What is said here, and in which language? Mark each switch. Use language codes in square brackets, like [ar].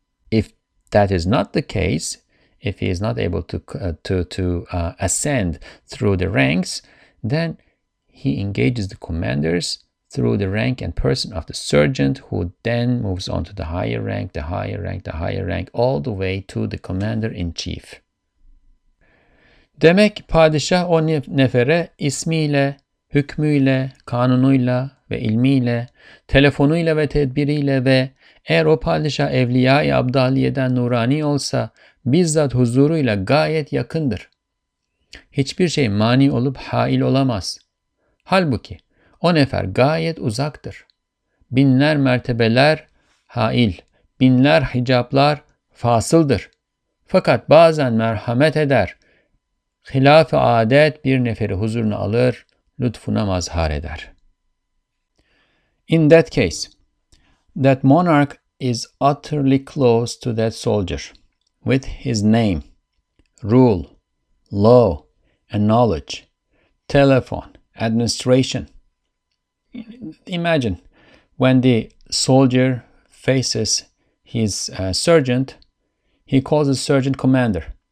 [en] If that is not the case, if he is not able to ascend through the ranks, then he engages the commanders through the rank and person of the sergeant, who then moves on to the higher rank, the higher rank, the higher rank, all the way to the commander-in-chief. [tr] Demek padişah o nefere ismiyle, hükmüyle, kanunuyla ve ilmiyle, telefonuyla ve tedbiriyle ve eğer o padişah evliya-i abdaliyeden nurani olsa, bizzat huzuruyla gayet yakındır. Hiçbir şey mani olup hail olamaz. Halbuki o nefer gayet uzaktır. Binler mertebeler hail, binler hicablar fasıldır. Fakat bazen merhamet eder, hilaf-ı adet bir neferi huzuruna alır, lütfuna mazhar eder. [en] In that case, that monarch is utterly close to that soldier, with his name, rule, law, and knowledge, telephone, administration. Imagine when the soldier faces his sergeant, he calls the sergeant commander.